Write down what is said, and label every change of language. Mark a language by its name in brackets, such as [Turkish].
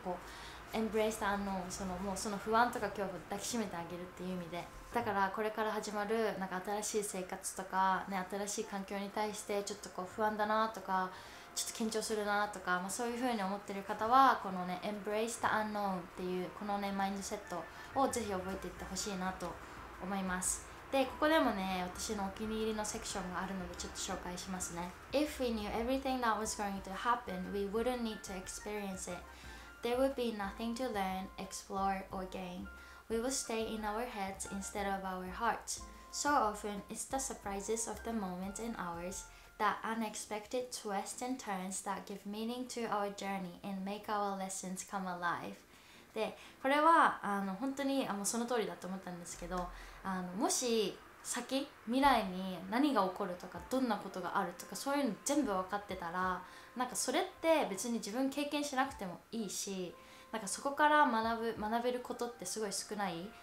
[Japanese] こう [English] Embrace the Unknown、 [Japanese] そのもうその不安とか恐怖抱きしめてあげるっていう意味で、だからこれから始まるなんか新しい生活とか、ね、新しい環境に対してちょっとこう不安だなとか、ちょっと緊張するなとか、まあ、そういう風に思ってる方はこのね Embrace the Unknown っていうこのねマインドセットをぜひ覚えていってほしいなと思います。で、ここでもね、私のお気に入りのセクションがあるのでちょっと紹介しますね。 [English] If we knew everything that was going to happen, we wouldn't need to experience it. There would be nothing to learn, explore, or gain. We would stay in our heads instead of our hearts. So often, it's the surprises of the moment and hours, that unexpected twists and turns that give meaning to our journey and make our lessons come alive. [Japanese] で、これはあの本当にあのその通りだと思ったんですけど、あのもし先未来に何が起こるとか、どんなことがあるとか、そういうの全部分かってたら、なんかそれって別に自分経験しなくてもいいし、なんかそこから学べることってすごい少ない。